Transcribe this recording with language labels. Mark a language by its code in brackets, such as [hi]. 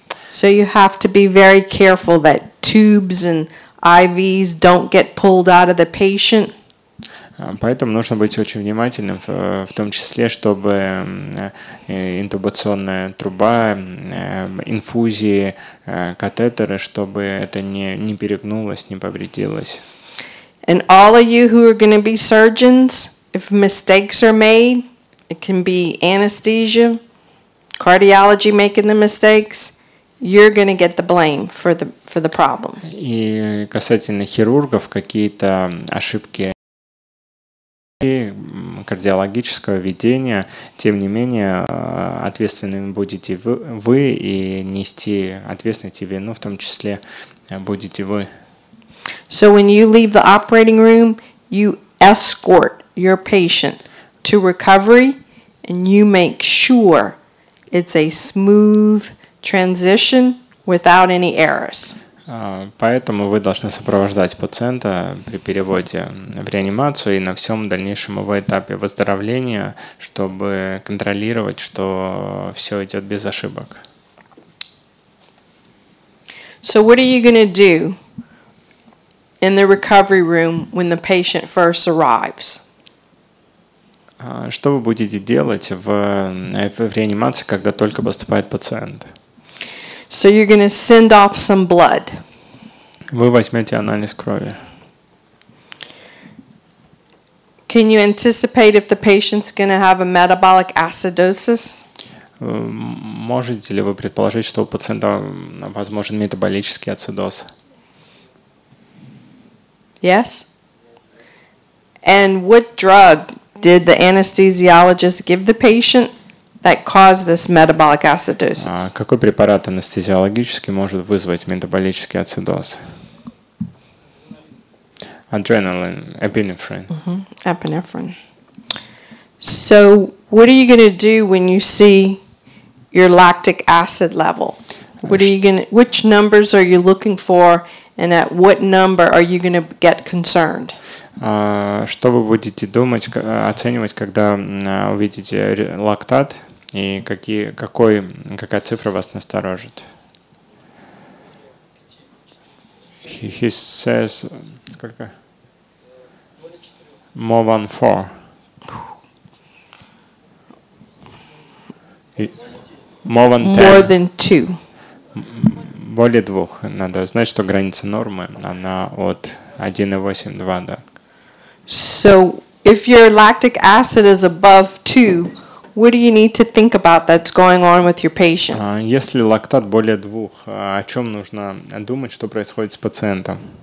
[en] So you have to be very careful that tubes and IVs don't get pulled out of the patient. [ru] Поэтому нужно быть очень внимательным, в том числе, чтобы интубационная труба, инфузии, катетеры, чтобы это не перегнулось, не повредилось. [en] And all of you who are going to be surgeons, if mistakes are made, it can be anesthesia, cardiology making the mistakes, you're going to get the blame for the problem. [ru] И касательно хирургов, какие-то ошибки кардиологического ведения, тем не менее, ответственными будете вы и нести ответственность и вину, в том числе, будете вы. [en] So when you leave the operating room, you escort your patient to recovery, and you make sure it's a smooth transition without any errors. [ru] Поэтому вы должны сопровождать пациента при переводе в реанимацию и на всем дальнейшем его этапе выздоровления, чтобы контролировать, что все идет без ошибок. [en] So what are you going to do in the recovery room when the patient first arrives? [ru] Что вы будете делать в реанимации, когда только поступает пациент? [en] So you're going to send off some blood. [ru] Вы возьмете анализ крови. [en] Can you anticipate if the patient's going to have a metabolic acidosis? [ru] Можете ли вы предположить, что у пациента возможен метаболический ацидоз? [en] Yes. And what drug did the anesthesiologist give the patient that caused this metabolic acidosis? [ru] Какой препарат анестезиологический может вызвать метаболический ацидоз? [en] Adrenaline, epinephrine. Mm-hmm. Epinephrine. So, what are you going to do when you see your lactic acid level? Which numbers are you looking for, and at what number are you going to get concerned? [ru] Что вы будете думать, оценивать, когда увидите лактат? И какая цифра вас насторожит? [en] He says, [ru] сколько? [en] More than four. More than ten. More than two. [ru] Более двух. Надо знать, что граница нормы, она от 1,8-2, да. [en] So, if your lactic acid is above two, what do you need to think about that's going on with your patient? [ru] Если лактат более двух, о чем нужно думать, что происходит с пациентом?